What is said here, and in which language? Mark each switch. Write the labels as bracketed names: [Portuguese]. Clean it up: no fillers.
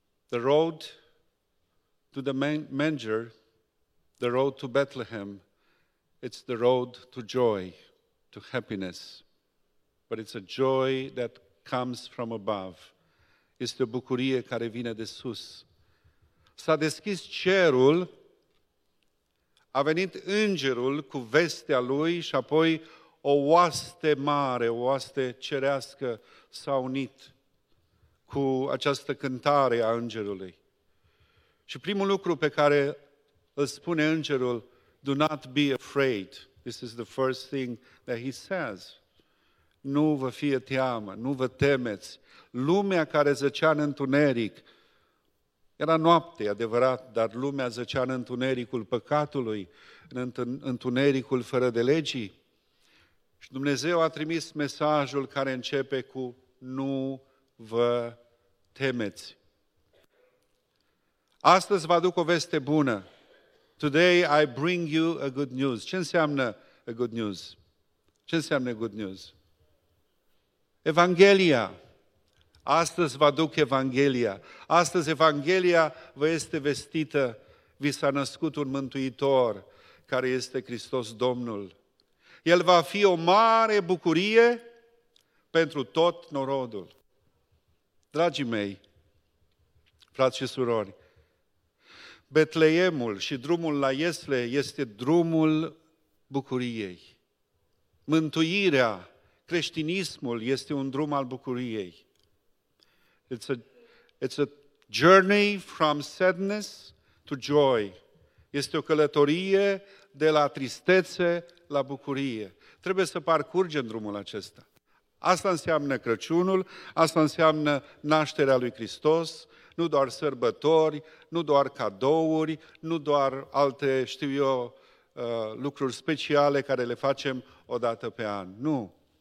[English] The road to the manger, the road to Bethlehem, it's the road to joy, to happiness. But it's a joy that comes from above. [Romanian] Este o bucurie care vine de sus. S-a deschis cerul, a venit îngerul cu vestea lui și apoi o oaste mare, o oaste cerească s-a unit cu această cântare a îngerului. Și primul lucru pe care îl spune îngerul, [English] do not be afraid. This is the first thing that he says. [Romanian] Nu vă fie teamă, nu vă temeți. Lumea care zăcea în întuneric, era noapte, adevărat, dar lumea zăcea în întunericul păcatului, în întunericul fără de legii. Și Dumnezeu a trimis mesajul care începe cu nu vă temeți. Astăzi vă aduc o veste bună. [English] Today I bring you a good news. [Romanian] Ce înseamnă [English] a good news? [Romanian] Ce înseamnă [English] good news? [Romanian] Evanghelia. Astăzi vă aduc Evanghelia. Astăzi Evanghelia vă este vestită. Vi s-a născut un Mântuitor, care este Hristos Domnul. El va fi o mare bucurie pentru tot norodul. Dragii mei, frați și surori, Betleemul și drumul la Iesle este drumul bucuriei. Mântuirea, creștinismul este un drum al bucuriei. [English] It's a journey from sadness to joy. [Romanian] Este o călătorie de la tristețe la bucurie. Trebuie să parcurgem drumul acesta. Asta înseamnă Crăciunul, asta înseamnă nașterea lui Hristos, nu doar sărbători, nu doar cadouri, nu doar alte, știu eu, lucruri speciale care le facem o dată pe an. Nu.